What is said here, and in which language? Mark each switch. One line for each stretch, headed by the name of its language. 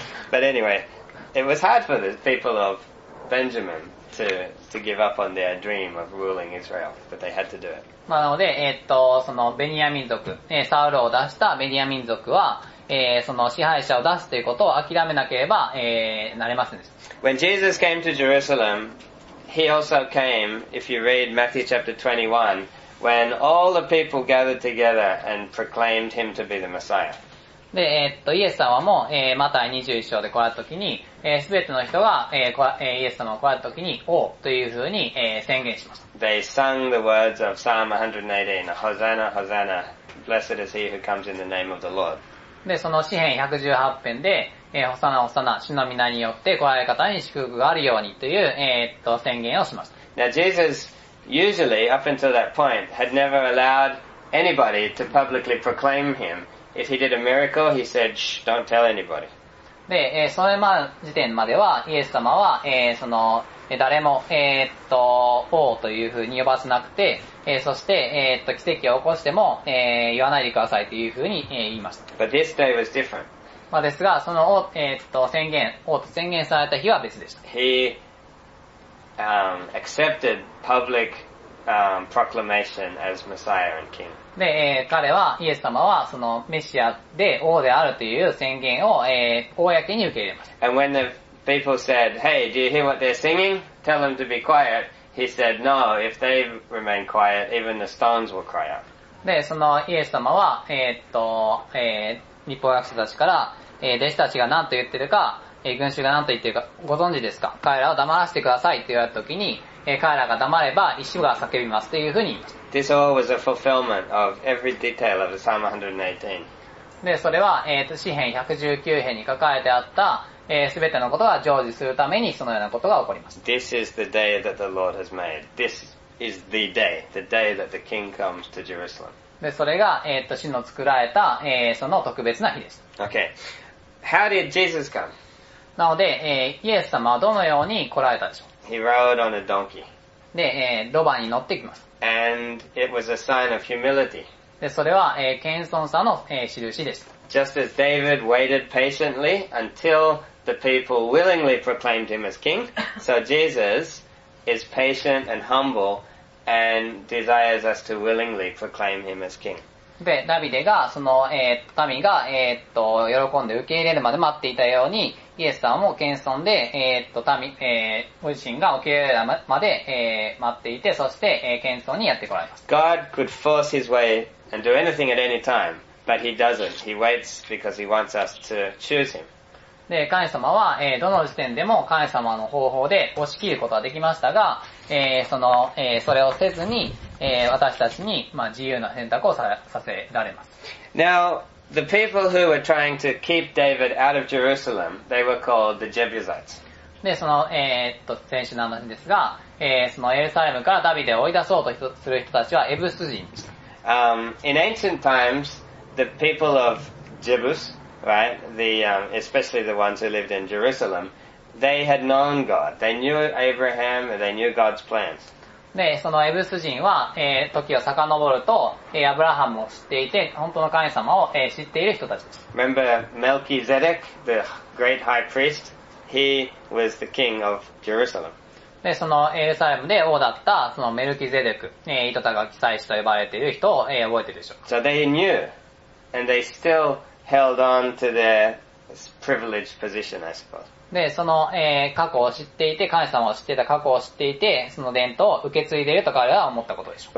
English: But anyway, it was hard for the people of Benjamin to give up on their dream of ruling Israel, but they had to do it.
Japanese: まあ、なので、そのベニヤ民族、サウルを出したベニヤ民族は、その支配者を出すということを諦めなければ、なれませんでした。
English: When Jesus came to Jerusalem, he also came, if you read Matthew chapter 21, when all the people gathered together and proclaimed him to be the Messiah.
Japanese: で、イエス様も、マタイ21章で来られた時に、すべての人が、イエス様を来られた時に、王というふうに、宣言しました。
English: They sung the words of Psalm 118, Hosanna, Hosanna, blessed is he who comes in the name of the Lord.
Japanese: で、その詩篇118編で、ホサナホサナ、主の御名によって来られる方に祝福があるようにという、宣言をしました。
English: Now Jesus, usually up until that point, had never allowed anybody to publicly proclaim him. If he did a miracle, he said, shh, don't tell anybody.
Japanese: で、それまで時点まではイエス様は、その誰も、王というふうに呼ばせなくて、そして、奇跡を起こしても、言わないでくださいというふうに、言いました。
English: But this day was different.
Japanese: まあですが、その王、宣言、王と宣言された日は別でした。
English: He, accepted public, proclamation as Messiah and King.
Japanese: で、彼は、イエス様はそのメシアで王であるという宣言を、公に受け入れました。
English: And when the people said, hey, do you hear what they're singing? Tell them to be quiet. He said, no, if they remain quiet, even the stones will cry out.
Japanese: で、そのイエス様は、立法学者たちから、弟子たちが何と言ってるか、群衆が何と言ってるかご存知ですか？彼らを黙らせてくださいと言われた時に、彼らが黙れば石が叫びますというふうに言いました。
English: This all was a fulfillment of every detail of Psalm 118.
Japanese: で、それは、詩編119編に書かれてあった、すべてのことが成就するためにそのようなことが起こりました。
English: This is the day that the Lord has made. This is the day that the King comes to Jerusalem.
Japanese: で、それが、主の作られた、その特別な日でした。
English: Okay. How did Jesus come?
Japanese: なので、イエス様はどのように来られたでしょう。
English: He rode on a donkey.
Japanese: で、ロバに乗ってきます。
English: And it was a sign of humility.
Japanese: で、それは、謙遜さの、印でした。
English: Just as David waited patiently until the people willingly proclaimed him as king, so Jesus is patient and humble. And desires us to willingly proclaim him as king.
Japanese: で、ダビデがその、民が、喜んで受け入れるまで待っていたように、イエス様も謙遜で、民、ご自身が受け入れるまで、待っていて、そして、謙遜にやってこられます。
English: God could force his way and do anything at any time, but he doesn't. He waits because he wants us to choose him.
Japanese: で、神様は、どの時点でも神様の方法で押し切ることはできましたが、それをせずに、私たちに、まあ、自由な選択をさせられます。
English: Now, the people who were trying to keep David out of Jerusalem, they were called the Jebusites.
Japanese: で、その、先週の話ですが、そのエルサレムからダビデを追い出そうとする人たちはエブス人でした。
English: In ancient times, the people of Jebus,Right, the, especially the ones who lived in Jerusalem, they had known God. They knew Abraham and they knew God's plans.
Japanese: で、そのエブス人は、時を遡ると、アブラハムを知っていて、本当の神様を、知っている人たちです。
English: Remember Melchizedek, the great high priest? He was the king of Jerusalem.
Japanese: で、そのエルサレムで王だった、そのメルキゼデク、糸高祭司と呼ばれている人を、覚えているでしょう。
English: So they knew, and they stillheld on to their privileged position, I suppose.
Japanese: で、その、過去を知っていて、神様を知っていた過去を知っていて、その伝統を受け継いでいると彼らは思ったことでしょう。